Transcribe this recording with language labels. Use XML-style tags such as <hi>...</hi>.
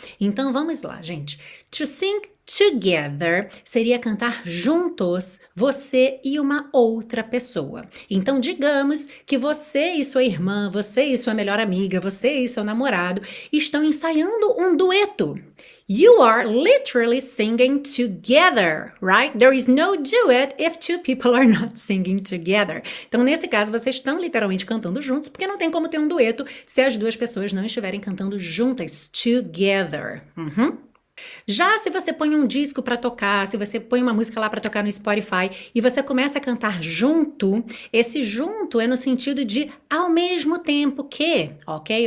<pt>Então vamos lá, gente.</pt> <en>To sing together</en> <pt>seria cantar juntos, você e uma outra pessoa. Então digamos que você e sua irmã, você e sua melhor amiga, você e seu namorado estão ensaiando um dueto.</pt> <en>You are literally singing together, right? There is no duet if two people are not singing together.</en> <pt>Então, nesse caso, vocês estão literalmente cantando juntos, porque não tem como ter um dueto se as duas pessoas não estiverem cantando juntas, together. Uhum. Já se você põe um disco para tocar, se você põe uma música lá para tocar no Spotify e você começa a cantar junto, esse junto é no sentido de ao mesmo tempo que, ok?</pt>